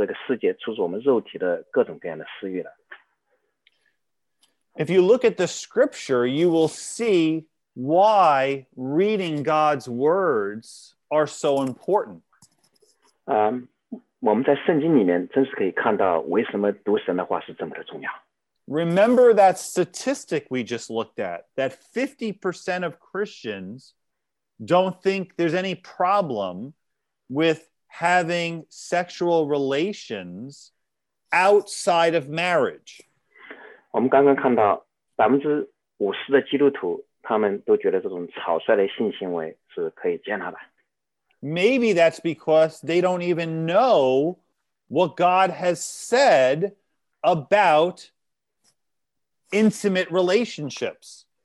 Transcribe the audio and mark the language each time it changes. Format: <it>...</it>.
<zh>如果说我们把基督徒把神的话不当成重要的话，那我们的兵器大不了就是一个吃饭的一个小刀而已，是根本不可能来抵挡出自撒旦魔鬼，出自这个世界，出自我们肉体的各种各样的私欲的。</zh> <en>If you look at the scripture, you will see why reading God's words are so important.</en> <zh>我们在圣经里面真是可以看到为什么读神的话是这么的重要。</zh> <en>Remember that statistic we just looked at, that 50% of Christians don't think there's any problem with having sexual relations outside of marriage.</en> <zh>我们刚刚看到 50%的基督徒他们都觉得这种草率的性行为是可以接纳的。</zh> <en>Maybe that's because they don't even know what God has said about intimate relationships.</en>